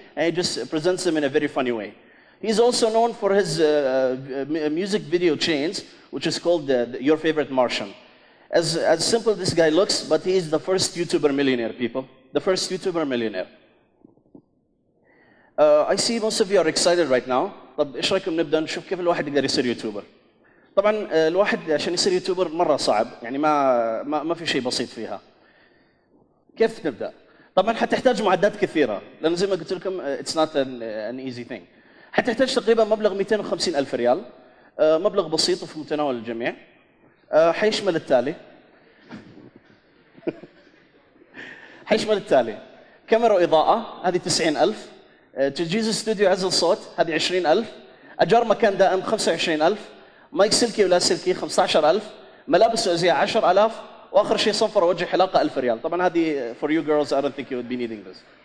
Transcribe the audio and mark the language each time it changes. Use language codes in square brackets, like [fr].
[en] And he just presents them in a very funny way. He's also known for his music video chains, which is called Your Favorite Martian. As simple this guy looks, but he is the first YouTuber millionaire, people. The first YouTuber millionaire. I see most of you are excited right now. [ar] طب ايش رايكم نبدا نشوف كيف الواحد يقدر يصير يوتيوبر؟ طبعا الواحد عشان يصير يوتيوبر مره صعب، يعني ما في شيء بسيط فيها. كيف نبدا؟ طبعا حتحتاج معدات كثيره، لان زي ما قلت لكم [en] اتس نوت ان ايزي ثينج. [ar] حتحتاج تقريبا مبلغ 250,000 ريال، مبلغ بسيط وفي متناول الجميع. حيشمل التالي حيشمل التالي: كاميرا واضاءه هذه 90,000، تجهيز استوديو عزل صوت هذه 20,000، أجار مكان دائم 25,000، مايك سلكي ولا سلكي 15,000، ملابس وأزياء 10,000، وآخر شيء صفر وجه حلاقة 1,000 ريال. طبعا هذه [en] for you girls, I don't think you would be needing this.